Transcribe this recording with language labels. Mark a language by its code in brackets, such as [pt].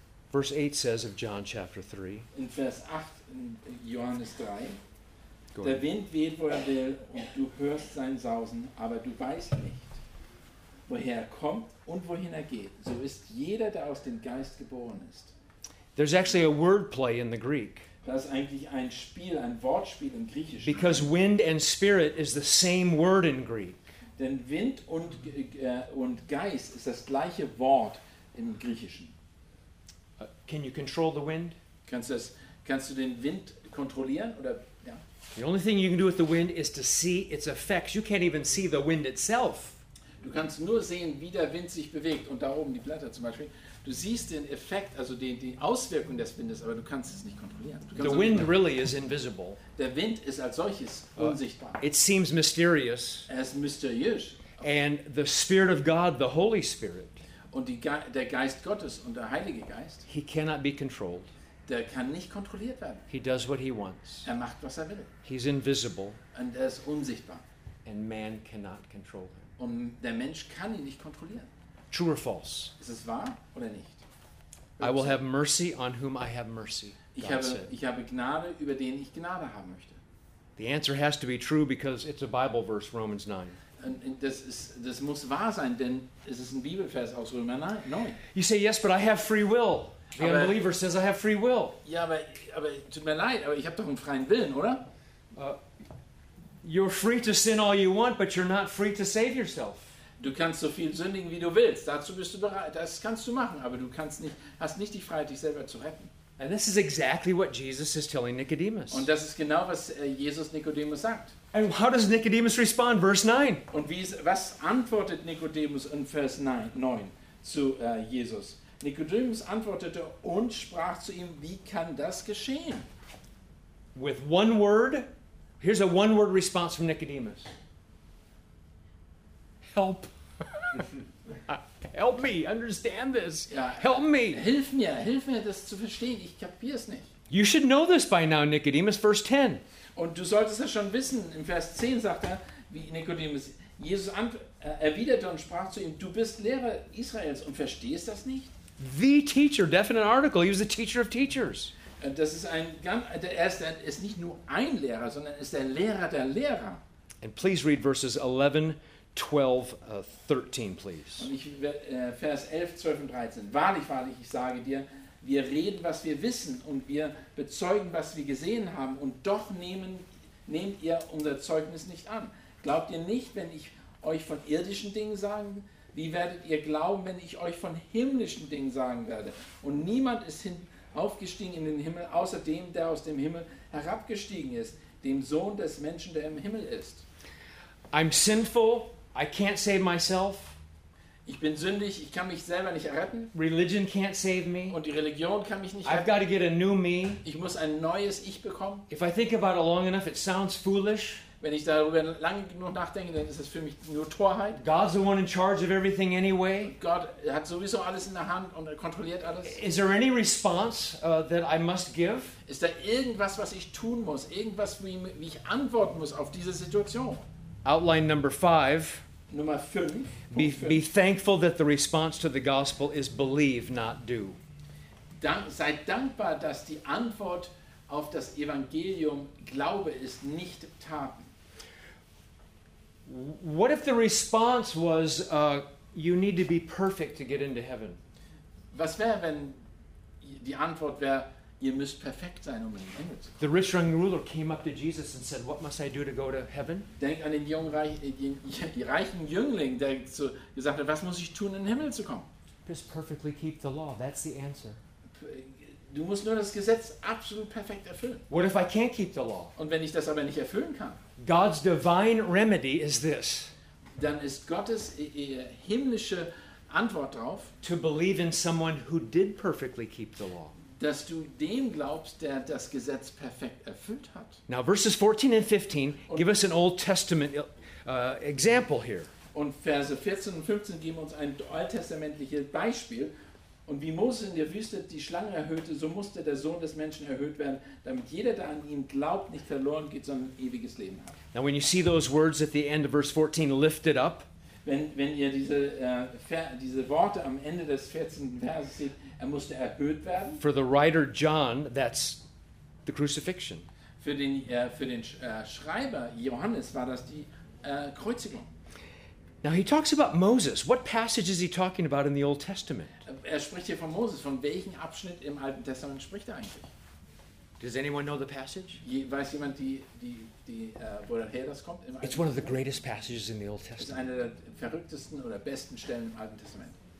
[en] Verse 8 says of John chapter 3. [de] In Vers 8 in Johannes 3. Der Wind weht, wo er will, und du hörst sein Sausen, aber du weißt nicht, woher er kommt und wohin er geht. So ist jeder, der aus dem Geist geboren ist. [en] There's actually a word play in the Greek. [de] Das ist eigentlich ein Spiel, ein Wortspiel im Griechischen. [en] Because wind and spirit is the same word in Greek. [de] Denn Wind und Geist ist das gleiche Wort im Griechischen. [en] Can you control the wind? [de] Kannst du den Wind kontrollieren? Oder, ja. [en] The only thing you can do with the wind is to see its effects. You can't even see the wind itself. [de] Du kannst nur sehen, wie der Wind sich bewegt. Und da oben die Blätter zum Beispiel. Du siehst den Effekt, also die Auswirkung des Windes, aber du kannst es nicht kontrollieren. [en] The wind really is invisible. [de] Der Wind ist als solches unsichtbar. [en] It seems mysterious. [de] Er ist mysteriös. [en] And the Spirit of God, the Holy Spirit. [de] Und der Geist Gottes und der Heilige Geist. [en] He cannot be controlled. [de] Der kann nicht kontrolliert werden. [en] He does what he wants. [de] Er macht, was er will. [en] He's invisible. [de] Und er ist unsichtbar. [en] And man cannot control him. [de] Und der Mensch kann ihn nicht kontrollieren. [en] True or false? [de] Ist es wahr oder nicht? [en] I will have mercy on whom I have mercy. [de] Ich habe Gnade über den ich Gnade haben möchte. [en] The answer has to be true because it's a Bible verse, Romans 9. [de] Das muss wahr sein, denn es ist ein Bibelvers aus Römer 9. [en] You say yes, but I have free will. The unbeliever says I have free will. [de] Ja, aber tut mir leid, aber ich habe doch einen freien Willen, oder? [en] You're free to sin all you want, but you're not free to save yourself. [de] Du kannst so viel sündigen, wie du willst. Dazu bist du bereit. Das kannst du machen, aber du hast nicht die Freiheit, dich selber zu retten. [en] And this is exactly what Jesus is telling Nicodemus. [de] Und das ist genau, was Jesus Nicodemus sagt. [en] And how does Nicodemus respond? Verse 9. [de] Und was antwortet Nicodemus in Vers 9 zu Jesus? Nicodemus antwortete und sprach zu ihm, wie kann das geschehen? [en] With one word, here's a one-word response from Nicodemus. Help. Help me understand this. Help me. [de] Hilf mir das zu verstehen. Ich kapiere es nicht. [en] You should know this by now, Nicodemus, verse 10. [de] Und du solltest das schon wissen. In Vers 10 sagt er, wie Nicodemus, Jesus erwiderte und sprach zu ihm, du bist Lehrer Israels und verstehst das nicht? [en] The teacher, definite article. He was the teacher of teachers. [de] Das ist ein ganz, der erste ist nicht nur ein Lehrer, sondern ist der Lehrer der Lehrer. [en] And please read verses 11, 12, 13, please. [de] Und ich, Vers 11, 12 und 13. Wahrlich, wahrlich, ich sage dir, wir reden, was wir wissen und wir bezeugen, was wir gesehen haben und doch nehmt ihr unser Zeugnis nicht an. Glaubt ihr nicht, wenn ich euch von irdischen Dingen sage? Wie werdet ihr glauben, wenn ich euch von himmlischen Dingen sagen werde? Und niemand ist aufgestiegen in den Himmel, außer dem, der aus dem Himmel herabgestiegen ist, dem Sohn des Menschen, der im Himmel ist. [en] I'm sinful, I can't save myself. [de] Ich bin sündig, ich kann mich selber nicht retten. [en] Religion can't save me. [de] Und die Religion kann mich nicht retten. [en] I've got to get a new me. [de] Ich muss ein neues Ich bekommen. [en] If I think about it long enough, it sounds foolish. [de] Wenn ich darüber lange genug nachdenke, dann ist es für mich nur Torheit. [en] God's the one in charge of everything anyway. [de] Gott hat sowieso alles in der Hand und er kontrolliert alles. [en] Is there any response that I must give? [de] Ist da irgendwas, was ich tun muss? Irgendwas, wie ich antworten muss auf diese Situation? [en] Outline number 5. [de] Nummer 5. [en] Be thankful that the response to the gospel is believe, not do. [de] Sei dankbar, dass die Antwort auf das Evangelium Glaube ist, nicht Taten. [en] What if the response was you need to be perfect to get into heaven? [de] Was wäre, wenn die Antwort wäre, ihr müsst perfekt sein, um in den Himmel zu kommen? [en] The rich young ruler came up to Jesus and said, what must I do to go to heaven? [de] Denk an den reichen Jüngling, der gesagt hat, was muss ich tun, in den Himmel zu kommen? [en] Just perfectly keep the law. That's the answer. [de] Du musst nur das Gesetz absolut perfekt erfüllen. [en] What if I can't keep the law? [de] Und wenn ich das aber nicht erfüllen kann? [en] God's divine remedy is this. [de] Dann ist Gottes himmlische Antwort darauf. [en] To believe in someone who did perfectly keep the law. [de] dass du dem glaubst, der das Gesetz perfekt erfüllt hat. [en] Now verses 14 and 15 give us an Old Testament example here. [de] Und Verse 14 und 15 geben uns ein alttestamentliches Beispiel. Und wie Moses in der Wüste die Schlange erhöhte, so musste der Sohn des Menschen erhöht werden, damit jeder, der an ihn glaubt, nicht verloren geht, sondern ein ewiges Leben hat. [en] Now when you see those words at the end of verse 14, lifted up. [de] Wenn ihr diese Worte am Ende des 14. Verses seht, er musste erhöht werden. [en] For the writer John, that's the crucifixion. [de] Für den Schreiber Johannes war das die Kreuzigung. [en] Now he talks about Moses. What passage is he talking about in the Old Testament? [de] Er spricht hier von Moses. Von welchem Abschnitt im Alten Testament spricht er eigentlich? [en] Does anyone know the passage? [de] Weiß jemand, woher das kommt? [en] It's one of the greatest passages in the Old Testament. [de] Es ist eine der verrücktesten oder besten Stellen im Alten Testament.